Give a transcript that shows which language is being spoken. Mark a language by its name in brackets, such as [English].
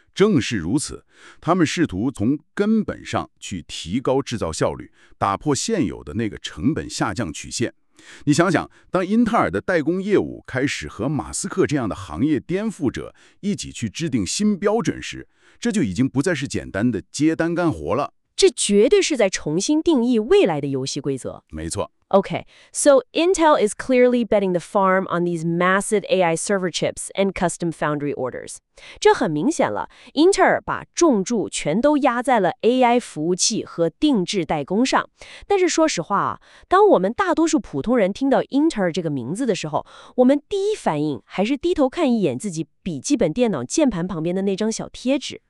[Chinese] 正是如此，他们试图从根本上去提高制造效率，打破现有的那个成本下降曲线。你想想，当英特尔的代工业务开始和马斯克这样的行业颠覆者一起去制定新标准时，这就已经不再是简单的接单干活了。这绝对是在重新定义未来的游戏规则。没错。 [English] Okay, so Intel is clearly betting the farm on these massive AI server chips and custom foundry orders. [Chinese] 这很明显了， Intel 把重注全都压在了 AI 服务器和定制代工上。但是说实话啊，当我们大多数普通人听到 Intel 这个名字的时候，我们第一反应还是低头看一眼自己笔记本电脑键盘旁边的那张小贴纸。